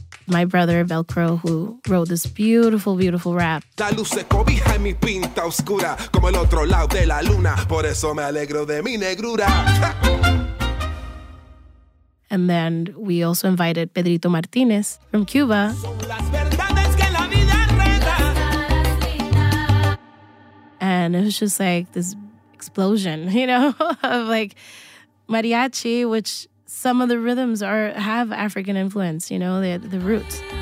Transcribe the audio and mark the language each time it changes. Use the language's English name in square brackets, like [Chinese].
[English] My brother, Velcro, who wrote this beautiful, beautiful rap. [Spanish] La luz se cobija en mi pinta oscura, como el otro lado de la luna. Por eso me alegro de mi negrura. [English] And then we also invited Pedrito Martinez from Cuba. And it was just like this explosion, you know, of like mariachi, which some of the rhythms are have African influence, you know, the roots.